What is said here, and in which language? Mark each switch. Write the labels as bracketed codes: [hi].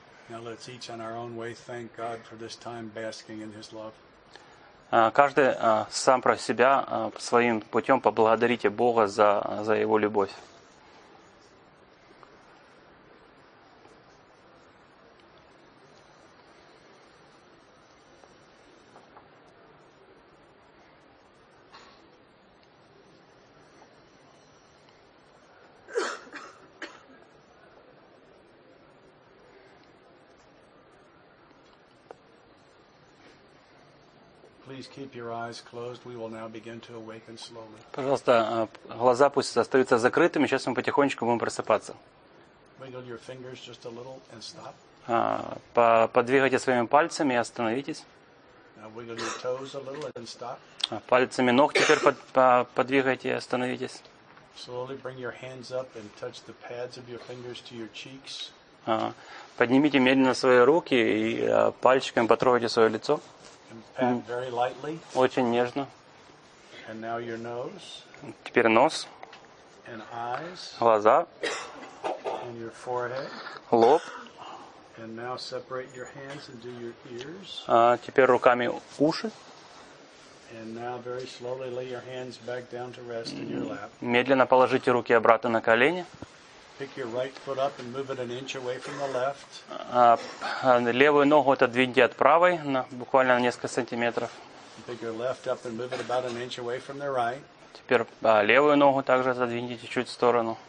[en] Now let's each on our own way thank God for this time basking in His love. [ru] Каждый сам про себя своим путем поблагодарите Бога за Его любовь. [en] Please keep your eyes closed. We will now begin to awaken slowly. [ru] Пожалуйста, глаза пусть остаются закрытыми. Сейчас мы потихонечку будем просыпаться. [en] Wiggle your fingers just a little and stop. [ru] Подвигайте своими пальцами и остановитесь. [en] Now wiggle your toes a little and stop. [ru] Пальцами ног теперь подвигайте и остановитесь. [en] Slowly bring your hands up and touch the pads of your fingers to your cheeks. [ru] Поднимите медленно свои руки и пальчиками потрогайте свое лицо. [en] And pat very lightly. [ru] Очень нежно. [en] And now your nose. [ru] Теперь нос. [en] And eyes. [ru] Глаза. [en] And your forehead. [ru] Лоб. [en] And now separate your hands and do your ears. [ru] Теперь руками уши. [en] And now very slowly lay your hands back down to rest in your lap. [ru] Медленно положите руки обратно на колени. [en] Pick your right foot up and move it an inch away from the left. [ru] Левую ногу отодвиньте от правой, буквально на несколько сантиметров. [en] Pick your left up and move it about an inch away from the right. [ru] Теперь левую ногу также отодвиньте чуть-чуть в сторону.